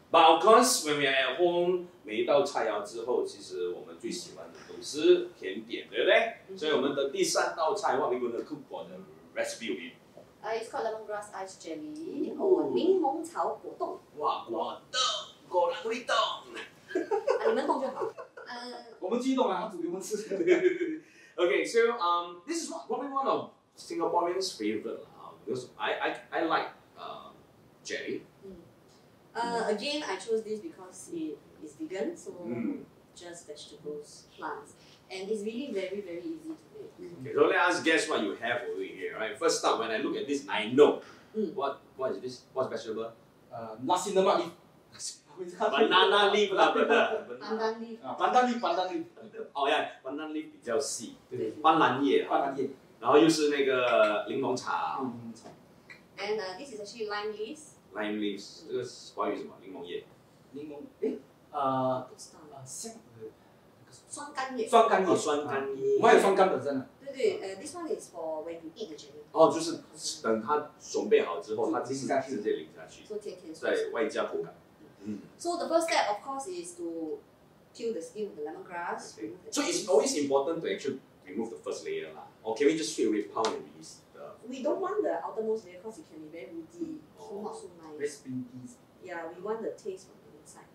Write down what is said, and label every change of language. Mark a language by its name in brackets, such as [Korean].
[English] But of course, when we are at home, [Chinese] 每一道菜肴之后，其实我们最喜欢的都是甜点，对不对？所以我们的第三道菜 [English] ，What are we going to cook for the recipe? It's called lemongrass ice jelly or [Chinese] 柠檬草果冻。哇，果冻，果然会冻。你们冻就好。我们继续冻啊，煮给我们吃。 [English] Okay, so this is probably one of Singaporeans' favorite because I like jelly. Again, I chose this because it is vegan, so just vegetables, plants, and it's really very, very easy to make. Okay, so let us guess what you have over here, right? First up, when I look at this, I know. What is this? What's vegetable? Nasi lemak leaf. Banana leaf, lah, brother. Pandan leaf. Oh, yeah, pandan leaf [Chinese] 比较细.斑斓叶.然后又是那个柠檬茶. [English] And this is actually lime leaves. Lime leaves, [Chinese] 这个华语什么？柠檬叶。柠檬，不知道了。酸甘叶。酸甘叶，酸甘叶。我还有酸甘本身呢。对对， [English] this one is for when you eat the jelly. [Chinese] 哦，就是等它准备好之后，它直接淋下去。做甜甜酸。对，外加口感。 [English] So the first step, of course, is to peel the skin of the lemongrass. So it's always important to actually remove the first layer, lah. Or can we just straight away pound and release? We don't want the outermost layer because it can be very woody, so not so nice. Very spinky. Yeah, we want the taste from the inside.